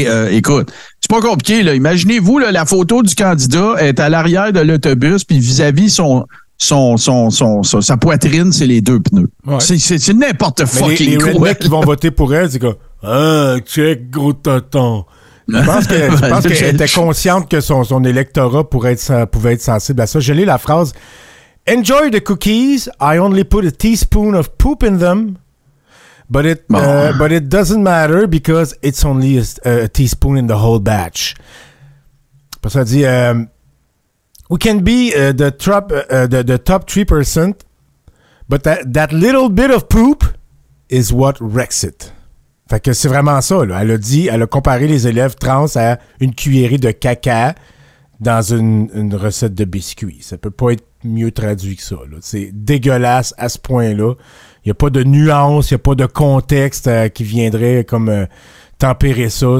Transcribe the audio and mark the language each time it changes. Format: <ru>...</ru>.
<fr>Écoute, c'est pas compliqué. Là. Imaginez-vous, là, la photo du candidat est à l'arrière de l'autobus, puis vis-à-vis sa poitrine, c'est les deux pneus. Ouais. C'est n'importe fucking quoi. Les mecs qui vont voter pour elle, c'est quoi? Ah, check, gros tonton. Je pense qu'elle était consciente que son électorat pouvait être sensible à ça. Je lis la phrase.</fr> <en>Enjoy the cookies. I only put a teaspoon of poop in them. But it doesn't matter because it's only a teaspoon in the whole batch.</en> <fr>Parce qu'elle dit...</fr> <en>We can be the top 3%, but that little bit of poop is what wrecks it.</en> <fr>Fait que c'est vraiment ça, là. Elle a comparé les élèves trans à une cuillerée de caca dans une recette de biscuits. Ça peut pas être mieux traduit que ça, là. C'est dégueulasse à ce point-là. Il y a pas de nuance, il y a pas de contexte qui viendrait comme tempérer ça.</fr>